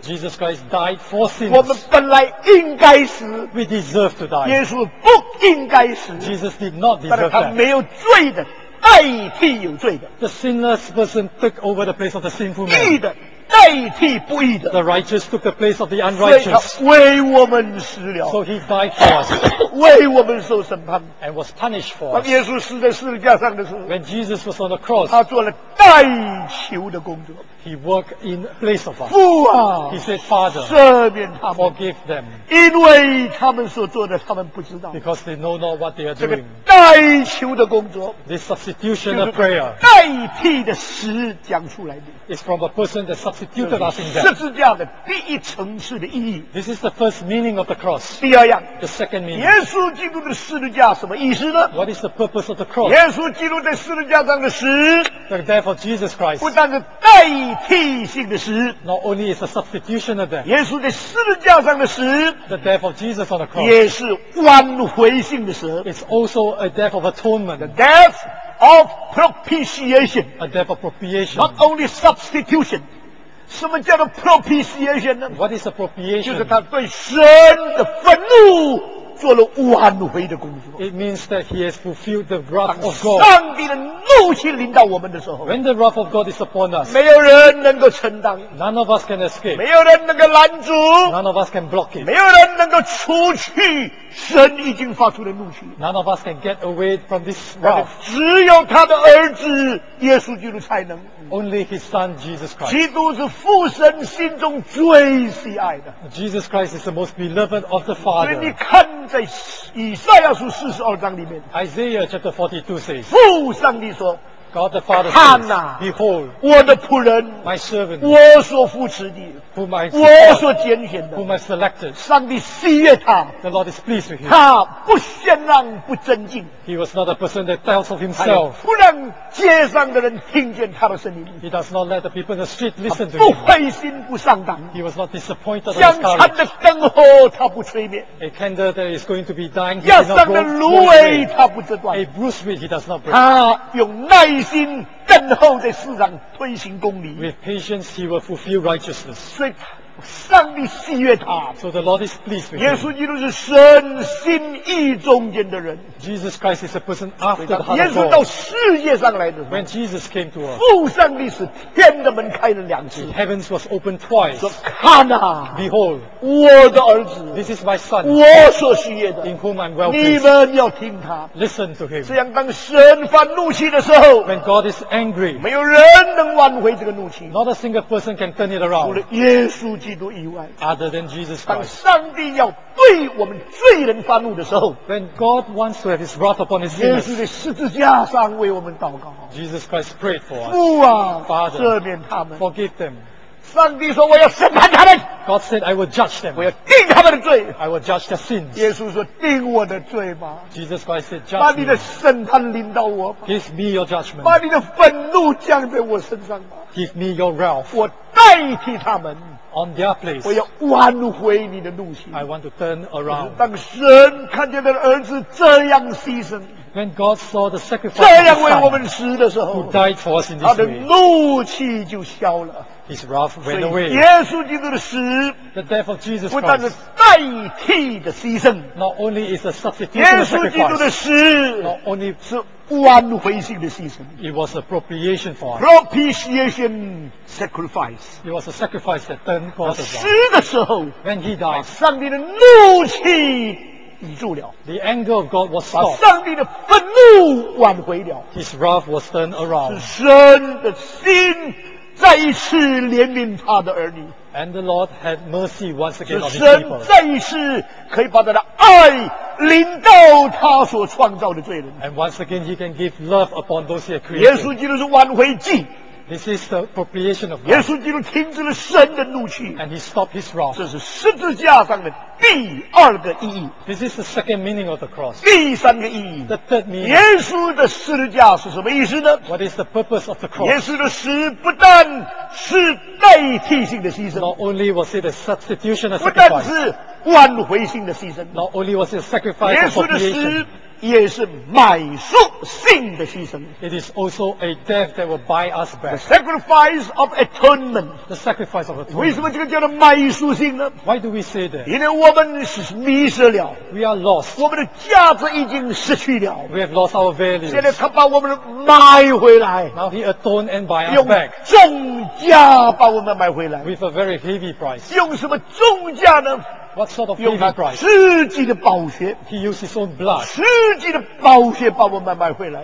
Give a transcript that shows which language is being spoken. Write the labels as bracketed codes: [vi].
[en] Jesus Christ died for sins. [zh] 我们本来应该死。 [en] We deserve to die. [zh] 耶稣不应该死。 [en] Jesus did not deserve that. [zh] 但是他没有罪的代替有罪的。 [en] The sinless person took over the place of the sinful man. [zh] 义的代替不义的。 [en] The righteous took the place of the unrighteous. [zh] 所以他为我们死了。 [en] So he died for us. [zh] 为我们受审判。 [en] And was punished for us. [zh] 当耶稣死在十字架上的时候。 [en] When Jesus was on the cross. [zh] 他做了代求的工作。 [en] He worked in place of us. [zh] 父啊。 [en] He said, Father. [zh] 赦免他们。 [en] Forgive them. [zh] 因为他们所做的他们不知道。 [en] Because they know not what they are doing. [zh] 这个代求的工作。 [en] This substitutional prayer. [zh] 代替的死讲出来的。 [en] It's from a person that substituted [zh] 十字架的第一层次的意义。 [en] This is the first meaning of the cross. [zh] 第二样。 [en] The second meaning. [zh] 耶稣基督的十字架什么意思呢？ [en] What is the purpose of the cross? [zh] 耶稣基督在十字架上的死。 [en] The death of Jesus Christ. [zh] 不但是代替性的死。 [en] Not only is a substitution of death. [zh] 耶稣在十字架上的死。 [en] The death of Jesus on the cross. [zh] 也是挽回性的死。 [en] It's also a death of atonement. The death of propitiation. A death of propitiation. Not only substitution. [zh] 什么叫做 propitiation 呢？ [en] What is appropriation? [zh] 就是他对神的愤怒做了挽回的工作。 [en] It means that he has fulfilled the wrath of God. [zh] 当上帝的怒气临到我们的时候， [en] When the wrath of God is upon us, [zh] 没有人能够承担， [en] None of us can escape, [zh] 没有人能够拦阻， [en] None of us can block it, [zh] 没有人能够除去神已经发出的怒气， [en] None of us can get away from this wrath. [zh] 只有他的儿子耶稣基督才能。 [en] Only his son Jesus Christ. [zh] 基督是父神心中最喜爱的。 [en] Jesus Christ is the most beloved of the Father. [zh] 所以你看在以赛亚书四十二章里面， [en] Isaiah chapter 42 says, [zh] 父上帝说， [en] God the Father says, Behold, [zh] 我的仆人， [en] My servant, [zh] 我所扶持的， [en] whom I [zh] 我所拣选的， [en] whom I selected, [zh] 上帝喜悦他， [en] The Lord is pleased with him. [zh] 他不献让，不增进。 [en] He was not a person that doubts of himself. [zh] 不让街上的人听见他的声音。 [en] He does not let the people in the street listen to him. [zh] 不灰心，不丧胆。 [en] He was not disappointed. [zh] 香残的灯火他不吹灭。 [en] A candle that is going to be dying. [zh] 压伤的芦苇他不折断。 [en] A bruised reed he does not break. [zh] 他用耐心等候在世上推行公义。 [en] With patience he will fulfill righteousness. [zh] 所以上帝喜悦他。 [en] So the Lord is pleased with him. [zh] 耶稣基督是神心意中间的人。 [en] Jesus Christ is a person after the heart of God. [zh] 耶稣到世界上来的时候。 [en] When Jesus came to earth. [zh] 父上帝是天的门开了两次。 [en] The heavens was opened twice. [zh] 说看啊。 [en] Behold. [zh] 我的儿子。 [en] This is my son. [zh] 我所喜悦的。 [en] In whom I'm well pleased. [zh] 你们要听他。 [en] Listen to him. [zh] 这样当神发怒气的时候。 [en] When God is angry. [zh] 没有人能挽回这个怒气。 [en] Not a single person can turn it around. [zh] 除了耶稣基督以外。 [en] Other than Jesus Christ. [zh] 当上帝要对我们罪人发怒的时候。 [en] When God wants to have his wrath upon his sinners. [zh] 耶稣在十字架上为我们祷告。 [en] Jesus Christ prayed for us. [zh] 父啊。 [en] Father. [zh] 赦免他们。 [en] Forgive them. [zh] 上帝说我要审判他们。 [en] God said I will judge them. [zh] 我要定他们的罪。 [en] I will judge their sins. [zh] 耶稣说定我的罪吧。 [en] Jesus Christ said judge me. [zh] 把你的审判临到我吧。 [en] Give me your judgment. [zh] 把你的愤怒降在我身上吧。 [en] Give me your wrath. [zh] 我代替他们。 [en] On their place. [zh] 我要挽回你的怒气。 [en] I want to turn around. [zh] 当神看见他的儿子这样牺牲。 [en] When God saw the sacrifice, [zh] 这样为我们死的时候， [en] who died for us in this way, [zh] 他的怒气就消了。 [en] His wrath went away. [zh] 耶稣基督的死， [en] the death of Jesus Christ, [zh] 不但是代替的牺牲， [en] not only is a substitute, [zh] 耶稣基督的死， [en] not only [zh] 是挽回性的牺牲， [en] it was a propitiation for us. Propitiation sacrifice. It was a sacrifice that turned God around. [zh] 死的时候， [en] when he died, [zh] 上帝的怒气抵住了， [en] the anger of God was stopped. [zh] 把上帝的愤怒挽回了， [en] his wrath was turned around. [zh] 是神的心再一次怜悯他的儿女。 [en] And the Lord had mercy once again on his people. [zh] 神再一次可以把他的爱临到他所创造的罪人。 [en] And once again he can give love upon those he had created. [zh] 耶稣基督是挽回祭。 [en] This is the propitiation of God. [zh] 耶稣基督停止了神的怒气。 [en] And he stopped his wrath. [zh] 这是十字架上的第二个意义。 [en] This is the second meaning of the cross. [zh] 第三个意义。 [en] The third meaning. [zh] 耶稣的十字架是什么意思呢？ [en] What is the purpose of the cross? [zh] 耶稣的死不但是代替性的牺牲。 [en] Not only was it a substitutional sacrifice. [zh] 不但是挽回性的牺牲。 [en] Not only was it a sacrifice of propitiation. [zh] 也是买赎性的牺牲。 [en] It is also a death that will buy us back. The sacrifice of atonement. The sacrifice of atonement. [zh] 为什么这个叫做买赎性呢？ [en] Why do we say that? [zh] 因为我们是迷失了。 [en] We are lost. [zh] 我们的价值已经失去了。 [en] We have lost our values. [zh] 现在他把我们买回来。 [en] Now he atoned and buy us back. [zh] 用重价把我们买回来。 [en] With a very heavy price. [zh] 用什么重价呢？ [en] What sort of heavy price? [zh] 自己的宝血。 [en] He used his own blood. [zh] 自己的宝血把我们买回来。